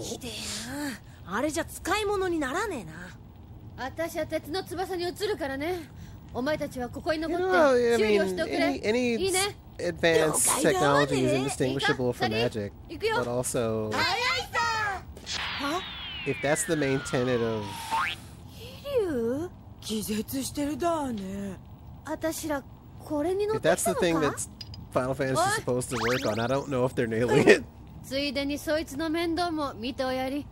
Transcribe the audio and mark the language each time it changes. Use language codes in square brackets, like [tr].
[ja] ひでえな、あれじゃ使い物にならねえな。私は鉄の翼に移るからね。お前たちはここに残って修理をしておくれ。いいね。 [en] Advanced technology is indistinguishable from magic, but also, if that's the main tenet of, [ja] ヒリュウ、気絶してるだね。私らこれに乗ってたのか。 [en] That's the thing that Final Fantasy is supposed to work on. I don't know if they're nailing it. [ja] ついでにそいつの面倒も見ておやり。